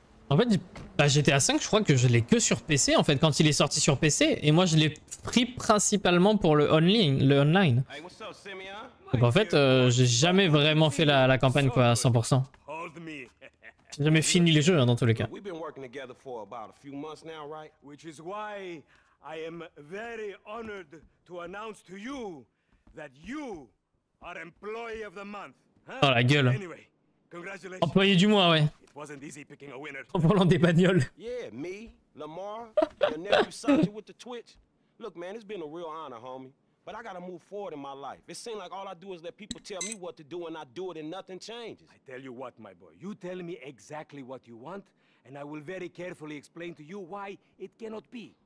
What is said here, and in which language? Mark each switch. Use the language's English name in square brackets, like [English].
[French] En fait, bah GTA 5, je crois que je l'ai que sur PC, en fait, quand il est sorti sur PC. Et moi, je l'ai pris principalement pour le online. Donc en fait, j'ai jamais vraiment fait la campagne, quoi, à 100%. J'ai jamais fini les jeux, hein, dans tous les cas. [English] Which is why I am very honored to announce to you that you are employee of the month. [French] Oh, la gueule. Employé du mois, ouais. En volant des bagnoles. [English] Yeah, me, Lamar, your nephew Sanji with the Twitch. Look, man, it's been a real honor, homie. But I gotta move forward in my life. It seems like all I do is let people tell me what to do and I do it and nothing changes. I tell you what, my boy, you tell me exactly what you want and I will very carefully explain to you why it cannot be.